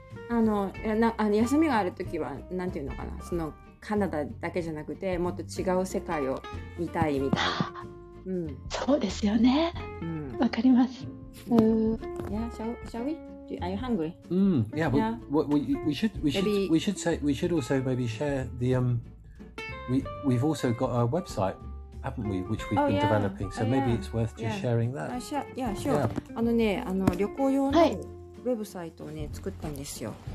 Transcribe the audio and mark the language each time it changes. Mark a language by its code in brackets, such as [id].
[ja] あの、な、あの、休みがあるときはなんていうのかな、そのカナダだけじゃなくてもっと違う世界を見たいみたいな、うん、そうですよね、わかります。 [en] Yeah, shall we? Are you hungry? Yeah, we should also maybe share the we've also got a website, haven't we, which we've been developing, so maybe it's worth just sharing that. Sure. [ja] あのね、あの旅行用のウェブサイトをね作ったんですよ。